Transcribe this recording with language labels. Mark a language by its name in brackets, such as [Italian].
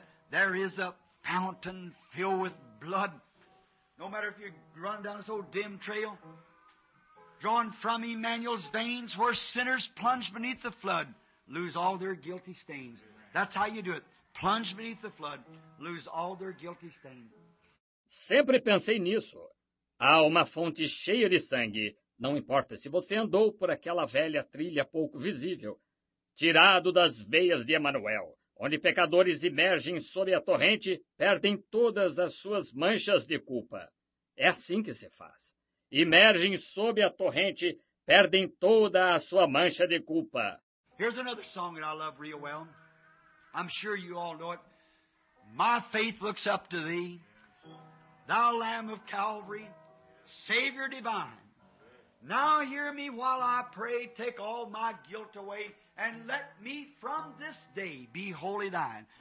[English] There is a fountain filled with blood. No matter if you run down this old dim trail, drawn from Emmanuel's veins, where sinners plunge beneath the flood, lose all their guilty stains. That's how you do it. Plunge beneath the flood, lose all their guilty stains. [Portuguese] Sempre pensei nisso. Há uma fonte cheia de sangue. Não importa se você andou por aquela velha trilha pouco visível, tirado das veias de Emmanuel, onde pecadores emergem sob a torrente, perdem todas as suas manchas de culpa. É assim que se faz. Emergem sob a torrente, perdem toda a sua mancha de culpa. [English] Here's another song that I love real well. I'm sure you all know it. My faith looks up to thee, thou Lamb of Calvary, Savior divine. Now hear me while I pray, take all my guilt away, and let me from this day be wholly thine.